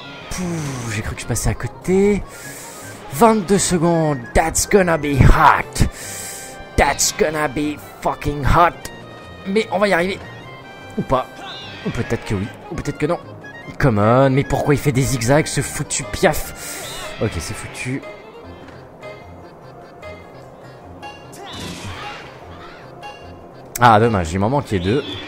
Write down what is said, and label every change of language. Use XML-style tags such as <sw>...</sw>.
<fr>Pouh, j'ai cru que je passais à côté. 22 secondes,</fr> <en>that's gonna be hot. That's gonna be fucking hot.</en> <fr>Mais on va y arriver. Ou pas. Ou peut-être que oui, ou peut-être que non. Come on, mais pourquoi il fait des zigzags, ce foutu piaf. Ok, c'est foutu. Ah, dommage, il m'en manquait deux.</fr>